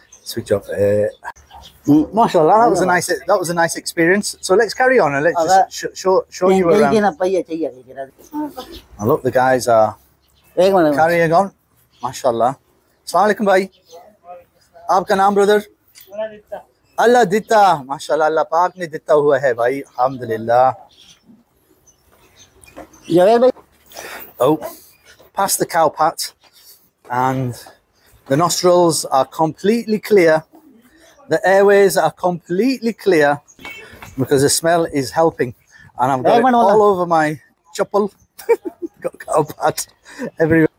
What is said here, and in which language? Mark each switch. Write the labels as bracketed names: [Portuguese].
[English] switch off. MashaAllah, that was a nice experience. So let's carry on and let's just show you around. Now look, the guys are carrying on. MashaAllah. Assalamu alaikum, bhai. [Urdu] آپکا نام، [English] brother? [Urdu] اللہ دتہ۔ ماشاءاللہ، اللہ پاک نے دتہ ہوا ہے، بھائی۔ Alhamdulillah. [English] Oh, pass the cow pat, and the nostrils are completely clear. The airways are completely clear because the smell is helping. And I've got it all over my chuppal. Got cow pat everywhere.